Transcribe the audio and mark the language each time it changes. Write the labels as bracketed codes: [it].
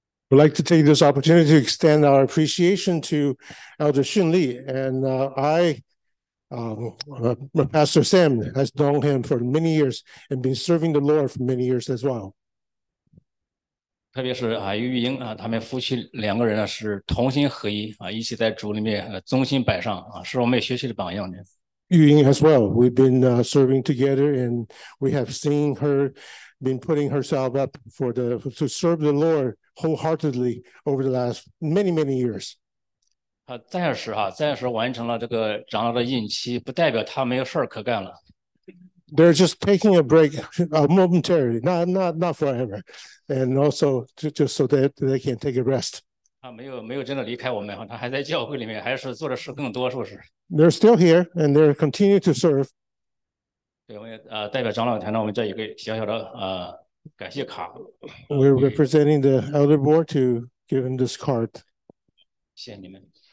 [en] We'd like to take this opportunity to extend our appreciation to Elder Xun Li, and Pastor Sam has known him for many years and been serving the Lord for many years as well. [zh] 特别是玉英他们夫妻两个人呢是同心合一一起在主里面忠心摆上是我们学习的榜样的。 [en] 玉英 as well, we've been serving together and we have seen her been putting herself up to serve the Lord wholeheartedly over the last many, many years. [zh] 暂时完成了这个长老的任期不代表他没有事可干了。 [en] They're just taking a break, momentarily, not forever, and also just so that they can take a rest. [zh] 没有真的离开我们，他还在教会里面，还是做的事更多，是不是？ [en] They're still here, and they're continue to serve. [zh] 对，我们代表长老团呢，我们这一个小小的感谢卡。 [en] We're representing the elder board to give them this card. [zh] 谢谢你们。